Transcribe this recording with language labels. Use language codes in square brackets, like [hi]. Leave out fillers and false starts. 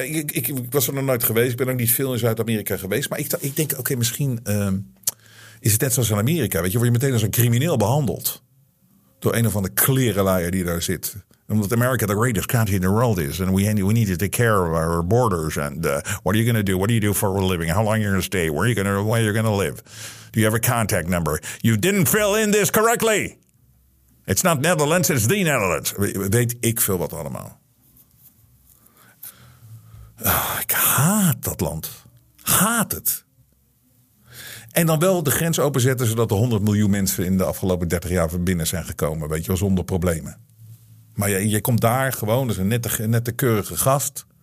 [nl] Ik was er nog nooit geweest. Ik ben ook niet veel in Zuid-Amerika geweest. Maar ik denk, oké, misschien... Is het net zoals in Amerika, weet je, word je meteen als een crimineel behandeld. Door een of andere klerenlaaier die daar zit. [en] Omdat Amerika the greatest country in the world is. And we need to take care of our borders. And what are you going to do? What do you do for a living? How long are you going to stay? Where are you going to live? Do you have a contact number? You didn't fill in this correctly. It's not Netherlands, it's the Netherlands. [nl] Weet ik veel wat allemaal. Ik haat dat land. Haat het. En dan wel de grens openzetten, zodat de 100 miljoen mensen in de afgelopen 30 jaar van binnen zijn gekomen. Weet je wel, zonder problemen. Maar je komt daar gewoon als een nette keurige gast.